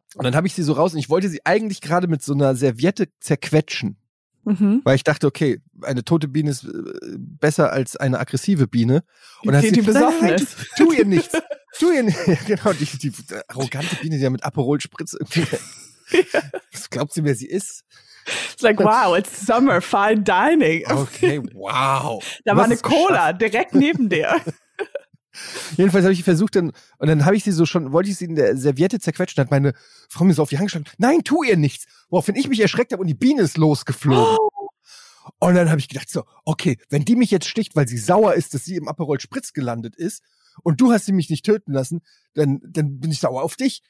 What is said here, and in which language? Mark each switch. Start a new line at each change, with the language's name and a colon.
German: Und dann habe ich sie so raus, und ich wollte sie eigentlich gerade mit so einer Serviette zerquetschen, weil ich dachte, okay, eine tote Biene ist besser als eine aggressive Biene. Und dann die besoffen ist. Tu ihr nichts, tu ihr nichts. Ja, genau, die arrogante Biene, die ja mit Aperol spritzt irgendwie. Was glaubt sie, wer sie ist?
English: It's like, wow, it's summer, fine dining. Okay, wow.
German: Da war eine Cola geschafft, direkt neben dir. Jedenfalls habe ich versucht, dann habe ich sie so schon, wollte ich sie in der Serviette zerquetschen, hat meine Frau mir so auf die Hand geschlagen, nein, tu ihr nichts. Woraufhin ich mich erschreckt habe und die Biene ist losgeflogen. Oh. Und dann habe ich gedacht so, okay, wenn die mich jetzt sticht, weil sie sauer ist, dass sie im Aperol Spritz gelandet ist und du hast sie mich nicht töten lassen, dann bin ich sauer auf dich.